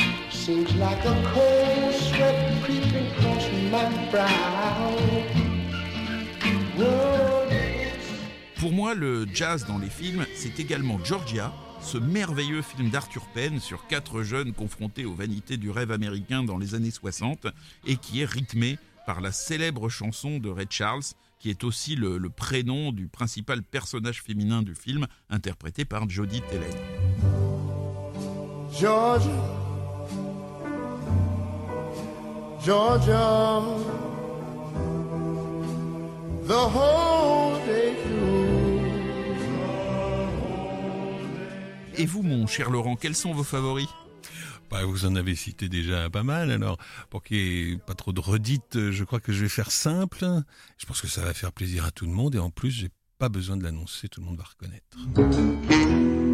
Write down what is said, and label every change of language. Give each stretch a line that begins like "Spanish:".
English: Seems like a cold sweat creeping across my brow.
French: Pour moi, le jazz dans les films, c'est également Georgia, ce merveilleux film d'Arthur Penn sur quatre jeunes confrontés aux vanités du rêve américain dans les années 60 et qui est rythmé par la célèbre chanson de Ray Charles, qui est aussi le prénom du principal personnage féminin du film, interprété par Jodie Telen.
English: Georgia, Georgia, the whole day through.
French: Et vous, mon cher Laurent, quels sont vos favoris? Bah, vous en avez cité déjà pas mal, alors pour qu'il n'y ait pas trop de redites, je crois que je vais faire simple. Je pense que ça va faire plaisir à tout le monde et en plus, j'ai pas besoin de l'annoncer, tout le monde va reconnaître.